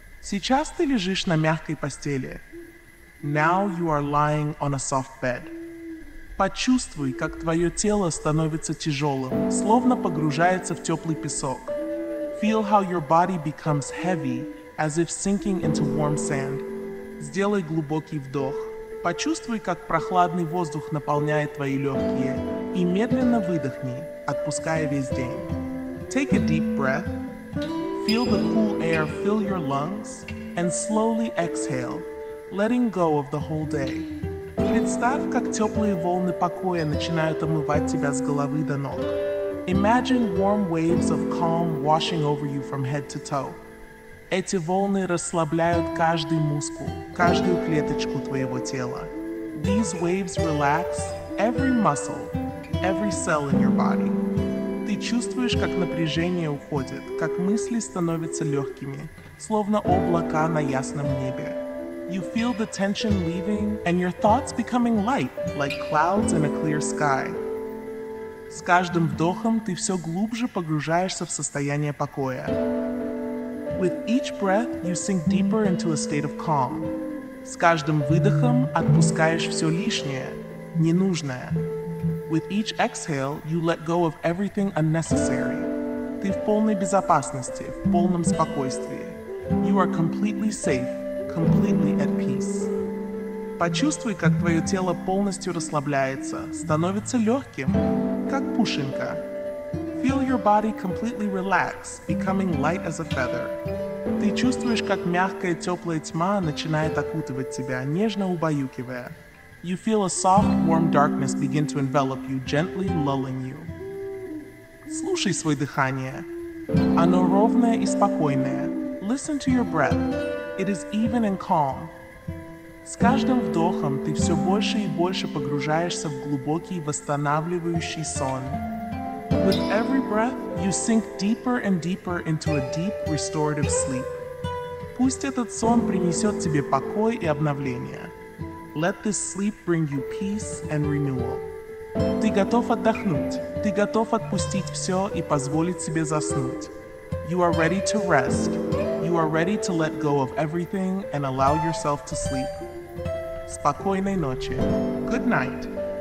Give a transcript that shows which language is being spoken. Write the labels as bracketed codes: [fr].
[ru] Сейчас ты лежишь на мягкой постели. [en] Now you are lying on a soft bed. [ru] Почувствуй, как твое тело становится тяжелым, словно погружается в теплый песок. [en] Feel how your body becomes heavy, as if sinking into warm sand. [ru] Сделай глубокий вдох. Почувствуй, как прохладный воздух наполняет твои легкие. И медленно выдохни, отпуская весь день. [en] Take a deep breath. Feel the cool air fill your lungs. And slowly exhale, letting go of the whole day. [ru] Представь, как теплые волны покоя начинают омывать тебя с головы до ног. [en] Imagine warm waves of calm washing over you from head to toe. [ru] Эти волны расслабляют каждый мускул, каждую клеточку твоего тела. [en] These waves relax every muscle, every cell in your body. [ru] Ты чувствуешь, как напряжение уходит, как мысли становятся легкими, словно облака на ясном небе. [en] You feel the tension leaving and your thoughts becoming light, like clouds in a clear sky. [ru] С каждым вдохом ты все глубже погружаешься в состояние покоя. [en] With each breath, you sink deeper into a state of calm. [ru] С каждым выдохом отпускаешь все лишнее, ненужное. [en] With each exhale, you let go of everything unnecessary. [ru] Ты в полной безопасности, в полном спокойствии. [en] You are completely safe, completely at peace. [ru] Почувствуй, как твое тело полностью расслабляется, становится легким, как пушинка. [en] Feel your body completely relax, becoming light as a feather. [ru] Ты чувствуешь, как мягкая теплая тьма начинает окутывать тебя, нежно убаюкивая. [en] You feel a soft, warm darkness begin to envelop you, gently lulling you. [ru] Слушай свое дыхание. Оно ровное и спокойное. [en] Listen to your breath. It is even and calm. [ru] С каждым вдохом ты все больше и больше погружаешься в глубокий восстанавливающий сон. [en] With every breath, you sink deeper and deeper into a deep restorative sleep. [ru] Пусть этот сон принесет тебе покой и обновление. [en] Let this sleep bring you peace and renewal. [ru] Ты готов отдохнуть. Ты готов отпустить все и позволить себе заснуть. [en] You are ready to rest. You are ready to let go of everything and allow yourself to sleep. [ru] Спокойной ночи. [en] Good night.